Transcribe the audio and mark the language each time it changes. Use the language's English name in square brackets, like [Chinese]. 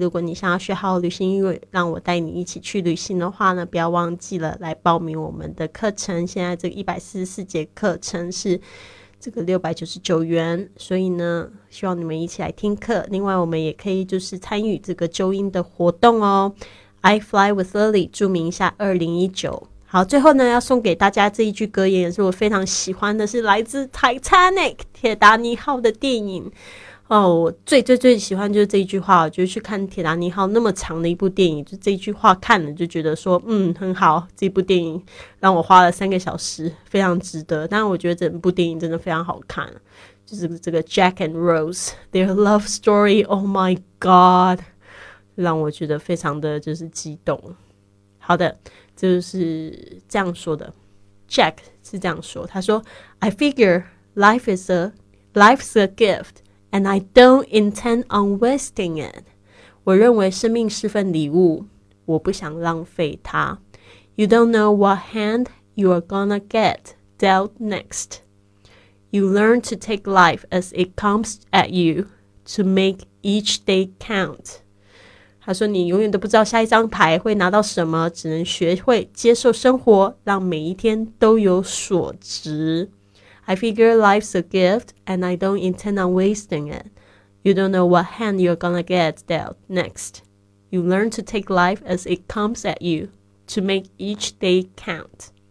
[Chinese] 如果你想要学好旅行英语，让我带你一起去旅行的话呢，不要忘记了来报名我们的课程。现在这个144节课程是这个699元，所以呢，希望你们一起来听课。另外，我们也可以就是参与这个纠音的活动哦。 [English] I Fly with Lily， [Chinese] 注明一下 [English] 2019。 [Chinese] 好，最后呢，要送给大家这一句格言，也是我非常喜欢的，是来自 Titanic 铁达尼号的电影。哦，我最最最喜欢就是这一句话，就是去看铁达尼号那么长的一部电影，就这一句话看了就觉得说，嗯，很好，这部电影让我花了3个小时，非常值得。但我觉得整部电影真的非常好看，就是这个 [English] Jack and Rose their love story， Oh my God， [Chinese] 让我觉得非常的就是激动。好的。就是这样说的 [English] ，Jack [Chinese] 是这样说，他说 [English] ：“I figure life's a gift, and I don't intend on wasting it。” [Chinese] 我认为生命是份礼物，我不想浪费它。 [English] You don't know what hand you are gonna get dealt next. You learn to take life as it comes at you to make each day count. [Chinese] 他说你永远都不知道下一张牌会拿到什么，只能学会接受生活，让每一天都有所值。 [English] I figure life's a gift and I don't intend on wasting it. You don't know what hand you're gonna get dealt next. You learn to take life as it comes at you to make each day count.